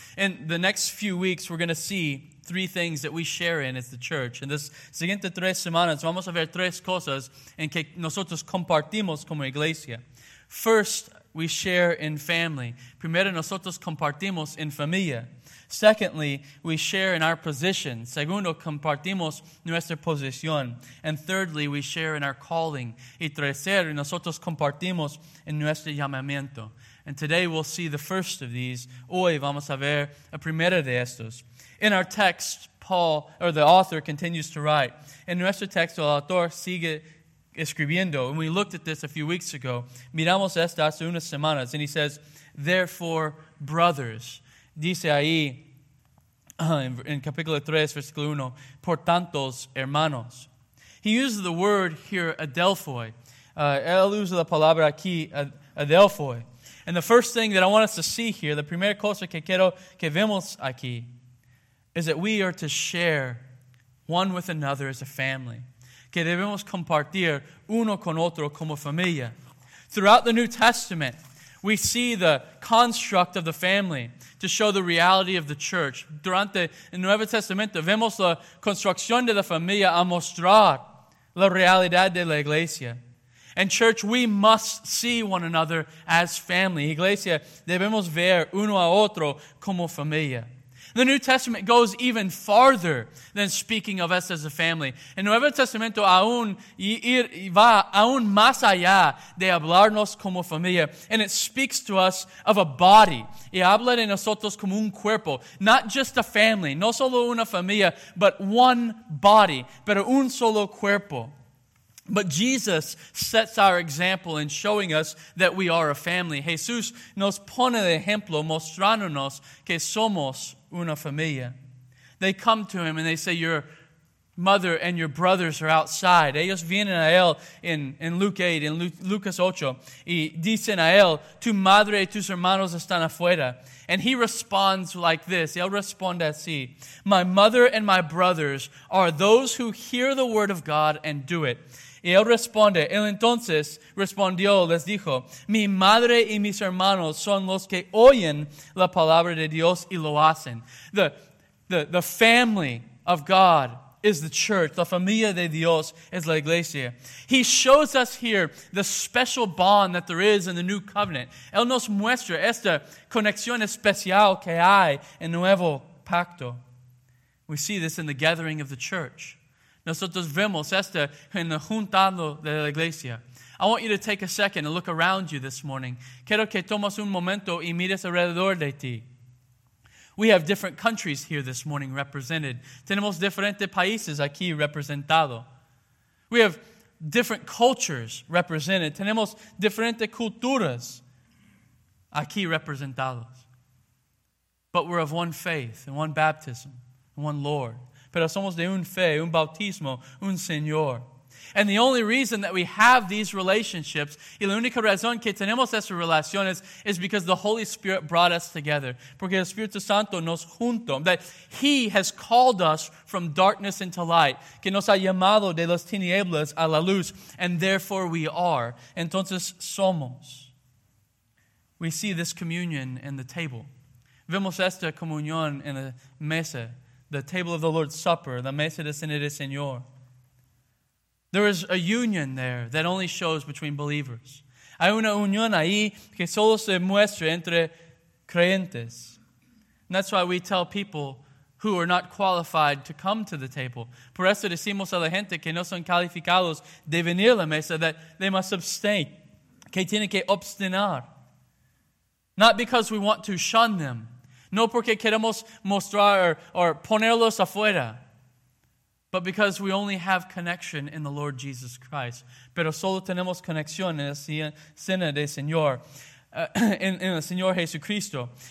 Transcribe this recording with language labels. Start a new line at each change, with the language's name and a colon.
English: In the next few weeks, we're going to see three things that we share in as the church.
Spanish: En las siguientes tres semanas, vamos a ver tres cosas en que nosotros compartimos como iglesia.
English: First, we share in family.
Spanish: Primero, nosotros compartimos en familia.
English: Secondly, we share in our position.
Spanish: Segundo, compartimos nuestra posición.
English: And thirdly, we share in our calling.
Spanish: Y tercero, nosotros compartimos en nuestro llamamiento.
English: And today we'll see the first of these.
Spanish: Hoy vamos a ver la primera de estos.
English: In our text, Paul, or the author, continues to write.
Spanish: En nuestro texto, el autor sigue escribiendo.
English: And we looked at this a few weeks ago.
Spanish: Miramos esto hace unas semanas.
English: And he says, therefore, brothers.
Spanish: Dice ahí, en capítulo 3, versículo 1, por tantos hermanos.
English: He uses the word here, adelphoi.
Spanish: Él usa la palabra aquí,
English: adelphoi. And the first thing that I want us to see here,
Spanish: la primera cosa que quiero que vemos aquí,
English: is that we are to share one with another as a family.
Spanish: Que debemos compartir uno con otro como familia.
English: Throughout the New Testament, we see the construct of the family to show the reality of the church.
Spanish: Durante el Nuevo Testamento, vemos la construcción de la familia a mostrar la realidad de la iglesia.
English: And church, we must see one another as family.
Spanish: Iglesia, debemos ver uno a otro como familia.
English: The New Testament goes even farther than speaking of us as a family.
Spanish: El Nuevo Testamento aún va aún más allá de hablarnos como familia.
English: And it speaks to us of a body.
Spanish: Y habla de nosotros como un cuerpo.
English: Not just a family.
Spanish: No solo una familia,
English: but one body.
Spanish: Pero un solo cuerpo.
English: But Jesus sets our example in showing us that we are a family.
Spanish: Jesús nos pone el ejemplo mostrándonos que somos una familia.
English: They come to him and they say, your mother and your brothers are outside.
Spanish: Ellos vienen a él
English: in Luke 8,
Spanish: in Lucas 8, y dicen a él, tu madre y tus hermanos están afuera.
English: And he responds like this.
Spanish: Él responde así.
English: My mother and my brothers are those who hear the word of God and do it.
Spanish: Y él responde, él entonces respondió, les dijo, mi madre y mis hermanos son los que oyen la palabra de Dios y lo hacen.
English: The family of God is the church.
Spanish: La familia de Dios es la iglesia.
English: He shows us here the special bond that there is in the new covenant.
Spanish: Él nos muestra esta conexión especial que hay en nuevo pacto.
English: We see this in the gathering of the church.
Spanish: Nosotros vemos esto en la juntando de la iglesia.
English: I want you to take a second and look around you this morning.
Spanish: Quiero que tomes un momento y mires alrededor de ti.
English: We have different countries here this morning represented.
Spanish: Tenemos diferentes países aquí representado.
English: We have different cultures represented.
Spanish: Tenemos diferentes culturas aquí representados.
English: but we're of one faith and one baptism and one Lord.
Spanish: Pero somos de un fe, un bautismo, un Señor.
English: And the only reason that we have these relationships,
Spanish: y la única razón que tenemos esas relaciones,
English: is because the Holy Spirit brought us together.
Spanish: Porque el Espíritu Santo nos juntó.
English: That He has called us from darkness into light.
Spanish: Que nos ha llamado de las tinieblas a la luz.
English: And therefore we are.
Spanish: Entonces somos.
English: We see this communion in the table.
Spanish: Vemos esta comunión en la mesa.
English: The table of the Lord's Supper.
Spanish: La mesa del Señor es Señor.
English: There is a union there that only shows between believers.
Spanish: Hay una unión ahí que solo se muestra entre creyentes.
English: And that's why we tell people who are not qualified to come to the table.
Spanish: Por eso decimos a la gente que no son calificados de venir a la mesa,
English: that they must abstain,
Spanish: que tienen que obstinar.
English: Not because we want to shun them.
Spanish: No porque queremos mostrar or ponerlos afuera.
English: But because we only have connection in the Lord Jesus Christ.
Spanish: Pero solo tenemos conexión en el Señor del Señor, en el Señor Jesucristo.